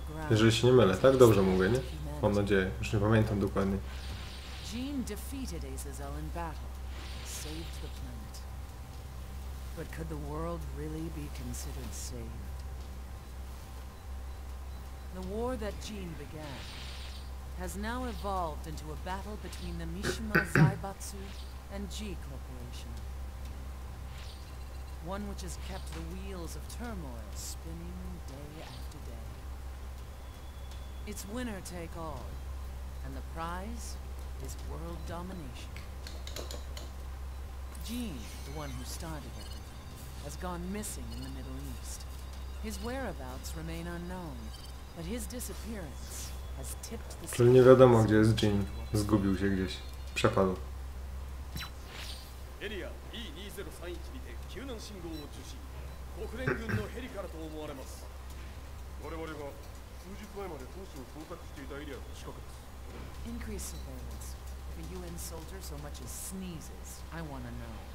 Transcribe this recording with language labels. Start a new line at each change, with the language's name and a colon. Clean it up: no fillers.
Polish: Jeżeli się nie mylę, tak? Dobrze mówię, nie? Mam nadzieję, już nie pamiętam dokładnie.
English: Jin defeated Azazel in battle. Saved the planet. But could the world really be considered saved? The war that Jin began has now evolved into a battle between the Mishima Zaibatsu and G Corporation. One which has kept the wheels of turmoil spinning day after day. It's winner take all, and the prize is world domination. Jin, the one who started it, has gone missing in the Middle East. His whereabouts remain unknown, but his disappearance has tipped the scales.
Polish: Czyli nie wiadomo, gdzie jest Jin. Zgubił się gdzieś. Przepadł.
Japanese: Area E2031 で救難信号を受信。国連軍のヘリからと思われます。我々は数日前まで当初を捜索していたエリアの近くです。
English: Increase surveillance. If a UN soldier so much as sneezes, I want to know.